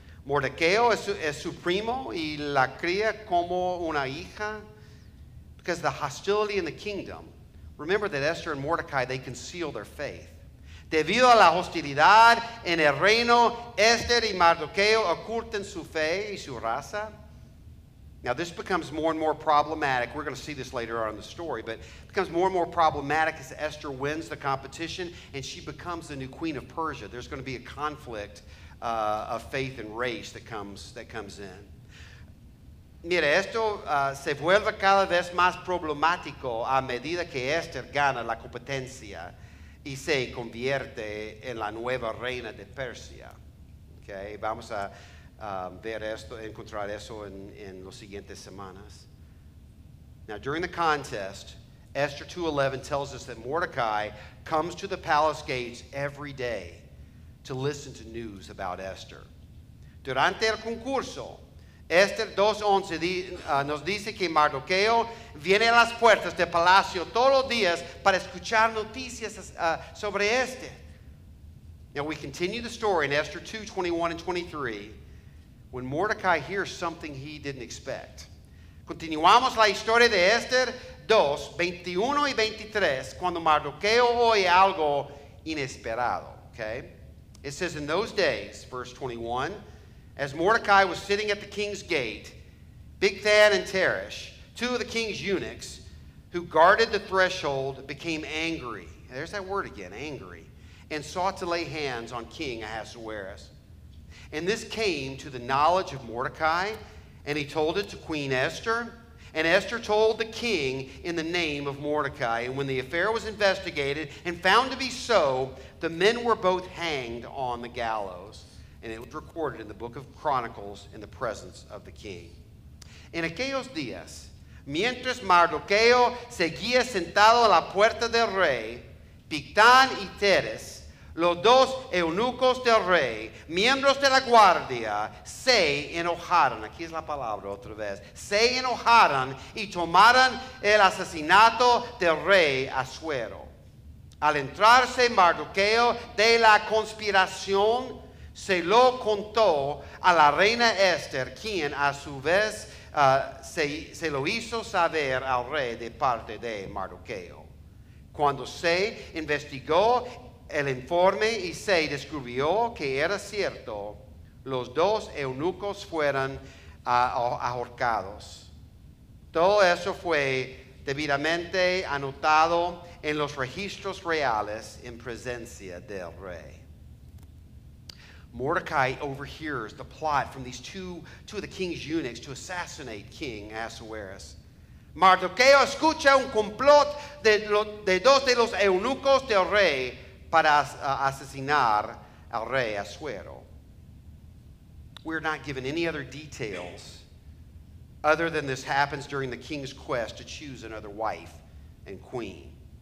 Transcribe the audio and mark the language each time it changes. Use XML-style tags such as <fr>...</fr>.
<es>Mordecai es su primo y la cría como una hija.</es> <en>Because the hostility in the kingdom, remember that Esther and Mordecai, they conceal their faith.</en> <es>Debido a la hostilidad en el reino, Esther y Mardoqueo ocultan su fe y su raza.</es> <en>Now this becomes more and more problematic. We're going to see this later on in the story, but it becomes more and more problematic as Esther wins the competition and she becomes the new queen of Persia. There's going to be a conflict of faith and race that comes in.</en> <es>Mira, esto se vuelve cada vez más problemático a medida que Esther gana la competencia y se convierte en la nueva reina de Persia. Okay, vamos a ver esto, encontrar eso en las siguientes semanas.</es> <en>Now, during the contest, Esther 2:11 tells us that Mordecai comes to the palace gates every day to listen to news about Esther.</en> <es>Durante el concurso, Esther 2:11 nos dice que Mardoqueo viene a las puertas del palacio todos los días para escuchar noticias sobre Esther.</es> <en>Now we continue the story in Esther 2:21 and 23 when Mordecai hears something he didn't expect.</en> <es>Continuamos la historia de Esther 2:21 y 23 cuando Mardoqueo oye algo inesperado.</es> <en>Okay? It says in those days, verse 21, as Mordecai was sitting at the king's gate, Bigthan and Teresh, two of the king's eunuchs who guarded the threshold, became angry. There's that word again, angry. And sought to lay hands on King Ahasuerus. And this came to the knowledge of Mordecai, and he told it to Queen Esther. And Esther told the king in the name of Mordecai. And when the affair was investigated and found to be so, the men were both hanged on the gallows. and it was recorded in the book of Chronicles in the presence of the king.</en> <es>En aquellos días, mientras Mardoqueo seguía sentado a la puerta del rey, Bigtán y Teres, los dos eunucos del rey, miembros de la guardia, se enojaron. Aquí es la palabra otra vez. Se enojaron y tomaron el asesinato del rey Asuero. Al entrarse Mardoqueo de la conspiración, se lo contó a la reina Esther, quien a su vez se lo hizo saber al rey de parte de Mardoqueo. Cuando se investigó el informe y se descubrió que era cierto, los dos eunucos fueron ahorcados. Todo eso fue debidamente anotado en los registros reales en presencia del rey.</es> <en>Mordecai overhears the plot from these two of the king's eunuchs to assassinate King Ahasuerus.</en> <es>Mardoqueo escucha un complot de dos de los eunucos del rey para asesinar al rey Asuero.</es> <en>We're not given any other details other than this happens during the king's quest to choose another wife and queen.</en>